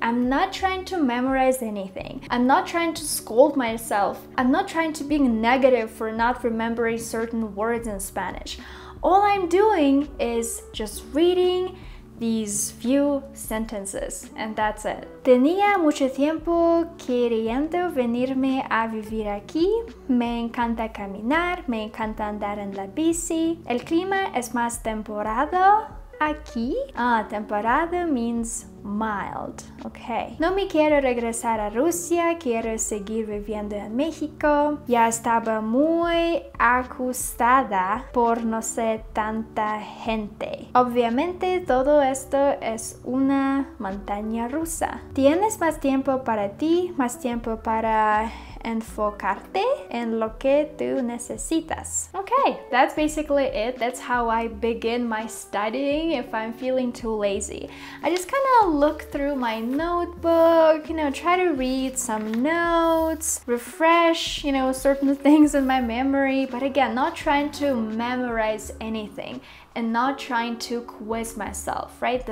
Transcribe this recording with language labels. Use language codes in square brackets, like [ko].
[en] I'm not trying to memorize anything. I'm not trying to scold myself. I'm not trying to be negative for not remembering certain words in Spanish. All I'm doing is just reading these few sentences, and that's it. [es] Tenía mucho tiempo queriendo venirme a vivir aquí. Me encanta caminar, me encanta andar en la bici. El clima es más temperado aquí. [en] Ah, temperado means mild. Okay. [es] No me quiero regresar a Rusia, quiero seguir viviendo en México. Ya estaba muy acostada por no ser tanta gente. Obviamente todo esto es una montaña rusa. ¿Tienes más tiempo para ti, más tiempo para enfocarte en lo que tú necesitas? [en] Okay, that's basically it. That's how I begin my studying if I'm feeling too lazy. I just kind of look through my notebook, you know, try to read some notes, refresh, you know, certain things in my memory, but again, not trying to memorize anything and not trying to quiz myself, right?